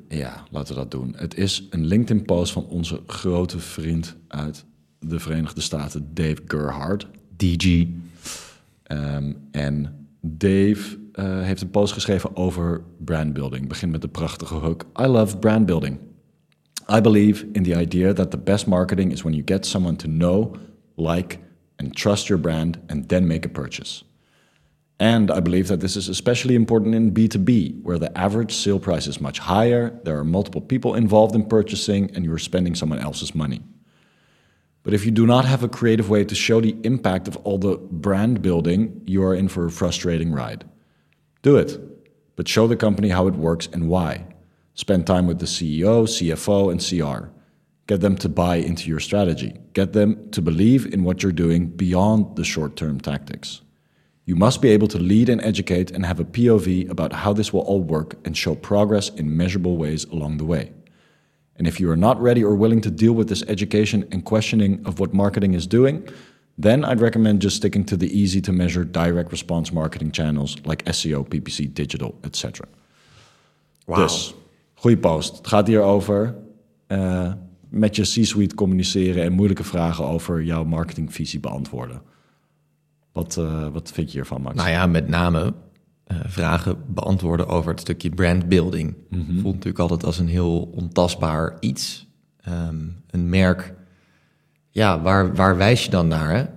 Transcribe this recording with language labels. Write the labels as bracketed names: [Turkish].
[Dutch] Ja, laten we dat doen. Het is een LinkedIn-post van onze grote vriend uit de Verenigde Staten, Dave Gerhard. DG. En Dave heeft een post geschreven over brandbuilding. Begint met de prachtige hook, [English] I love brandbuilding. I believe in the idea that the best marketing is when you get someone to know, like... and trust your brand, and then make a purchase. And I believe that this is especially important in B2B, where the average sale price is much higher, there are multiple people involved in purchasing, and you are spending someone else's money. But if you do not have a creative way to show the impact of all the brand building, you are in for a frustrating ride. Do it, but show the company how it works and why. Spend time with the CEO, CFO, and CR. Get them to buy into your strategy. Get them to believe in what you're doing beyond the short-term tactics. You must be able to lead and educate and have a POV about how this will all work and show progress in measurable ways along the way. And if you are not ready or willing to deal with this education and questioning of what marketing is doing, then I'd recommend just sticking to the easy-to-measure direct response marketing channels like SEO, PPC, digital, etc. Wow. [Dutch] Dus, goeie post. Het gaat hier over... met je C-suite communiceren en moeilijke vragen over jouw marketingvisie beantwoorden. Wat vind je hiervan, Max? Nou ja, met name vragen beantwoorden over het stukje brandbuilding. Mm-hmm. Voelt natuurlijk altijd als een heel ontastbaar iets. Een merk, ja, waar wijs je dan naar? Hè?